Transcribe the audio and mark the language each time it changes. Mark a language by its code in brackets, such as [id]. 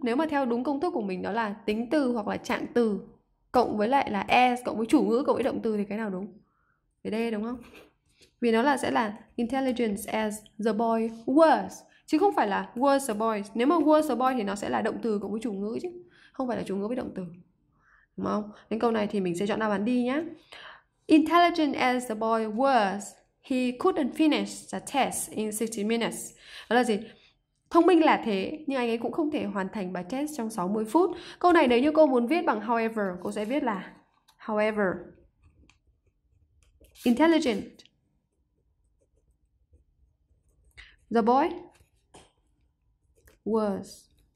[vi] Nếu mà theo đúng công thức của mình, đó là tính từ hoặc là trạng từ cộng với lại là S, cộng với chủ ngữ, cộng với động từ, thì cái nào đúng? Cái D đúng không? Vì nó là sẽ là [en] intelligence as the boy was, [vi] chứ không phải là [en] was the boy. [vi] Nếu mà [en] was the boy [vi] thì nó sẽ là động từ cộng với chủ ngữ chứ, không phải là chủ ngữ với động từ. Đúng không? Nên câu này thì mình sẽ chọn đáp án D nhé. [en] Intelligent as the boy was, he couldn't finish the test in 60 minutes. [vi] Đó là gì? Thông minh là thế, nhưng anh ấy cũng không thể hoàn thành bài test trong 60 phút. Câu này nếu như cô muốn viết bằng however, cô sẽ viết là however. [en] Intelligent. The boy was.